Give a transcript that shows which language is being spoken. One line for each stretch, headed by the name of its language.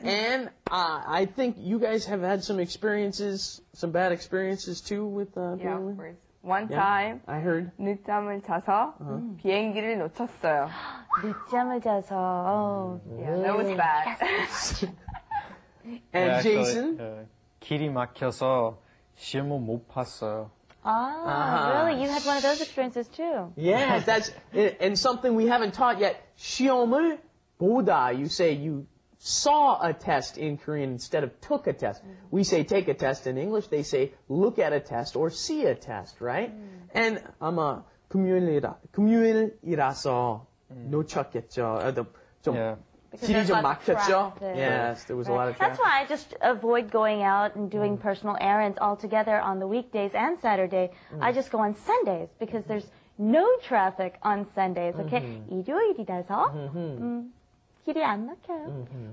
English: And I think you guys have had some experiences, some bad experiences too with being late. Yeah, one time. I heard.
Korean: 늦잠을 자서 비행기를 놓쳤어요. 늦잠을 자서. Oh,
English: yeah. That was bad. And yeah, Jason? So,
Korean: 길이 막혀서 시험을 못 봤어요.
English: Ah, really? You had one of those experiences too. Yeah, that's and something we haven't taught yet.
Korean: 시험을 보다.
English: You say you saw a test in Korean instead of took a test. Mm-hmm. We say take a test in English. They say look at a test or see a test, right? Mm-hmm. And
Korean: 아마 금요일이라서 놓쳤겠죠. 길이 좀 막혔죠?
English: Yes, there was a lot of traffic. That's why I just avoid going out and doing personal errands altogether on the weekdays and Saturday. Mm. I just go on Sundays because there's no traffic on Sundays. Okay?
Korean: 일요일이라서 길이 안 막혀요.